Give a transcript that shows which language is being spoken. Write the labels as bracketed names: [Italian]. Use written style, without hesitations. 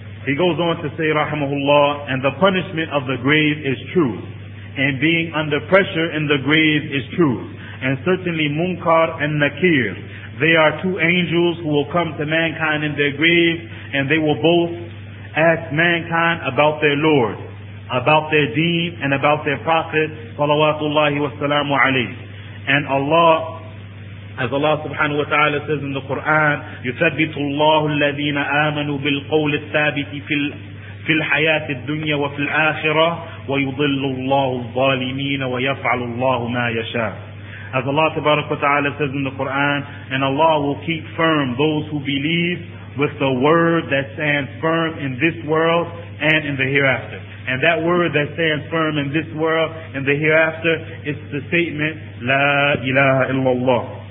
[English] He goes on to say, rahimahullah, and the punishment of the grave is true, and being under pressure in the grave is true, and certainly Munkar and Nakir. They are two angels who will come to mankind in their grave, and they will both ask mankind about their Lord, about their deen, and about their Prophet, salawatullahi wa salamu alayhi. And Allah, as Allah subhanahu wa ta'ala says in the Quran, [Arabic] يُثَبِّتُ اللَّهُ الَّذِينَ آمَنُوا بِالْقَوْلِ الثَّابِتِ فِي الْحَيَاةِ الدُّنْيَا وَفِي الْآخِرَةِ وَيُضِلُّ اللَّهُ الظَّالِمِينَ وَيَفْعَلُ اللَّهُ مَا يَشَاءُ. [English] As Allah subhanahu wa ta'ala says in the Quran, and Allah will keep firm those who believe with the word that stands firm in this world and in the hereafter. And that word that stands firm in this world and the hereafter is the statement, La ilaha illallah.